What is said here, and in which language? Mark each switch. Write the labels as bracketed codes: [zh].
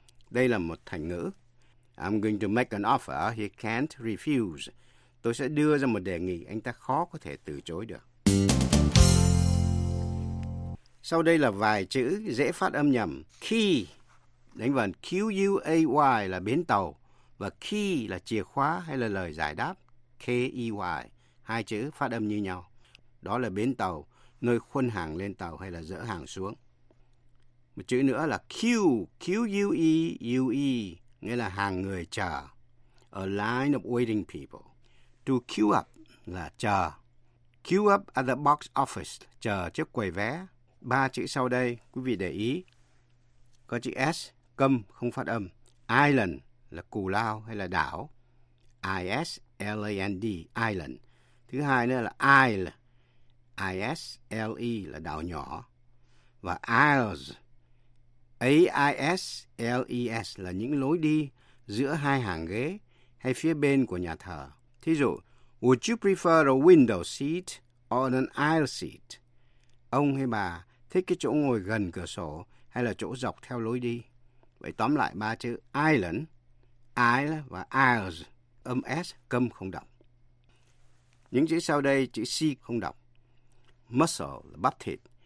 [vi] Đây là một thành ngữ. [en] I'm going to make an offer he can't refuse. [vi] Tôi sẽ đưa ra một đề nghị anh ta khó có thể từ chối được. Sau đây là vài chữ dễ phát âm nhầm. Key, đánh vần Q-U-A-Y là bến tàu. Và key là chìa khóa hay là lời giải đáp. K-E-Y, hai chữ phát âm như nhau. Đó là bến tàu, nơi khuân hàng lên tàu hay là dỡ hàng xuống. Một chữ nữa là Q-U-E-U-E, nghĩa là hàng người chờ. [en] A line of waiting people. To queue up [vi] là chờ. [en] Queue up at the box office, [vi] chờ trước quầy vé. Ba chữ sau đây, quý vị để ý. Có chữ S, câm, không phát âm. Island là cù lao hay là đảo. I-S-L-A-N-D, island. Thứ hai nữa là isle. I-S-L-E là đảo nhỏ. Và aisles, A-I-S-L-E-S là những lối đi giữa hai hàng ghế hay phía bên của nhà thờ. Thí dụ, [en] would you prefer a window seat or an aisle seat? [vi] Ông hay bà thích cái chỗ ngồi gần cửa sổ hay là chỗ dọc theo lối đi? Vậy tóm lại ba chữ island, aisle và aisles, âm S câm không đọc. Những chữ sau đây chữ C không đọc. Muscle là bắp thịt.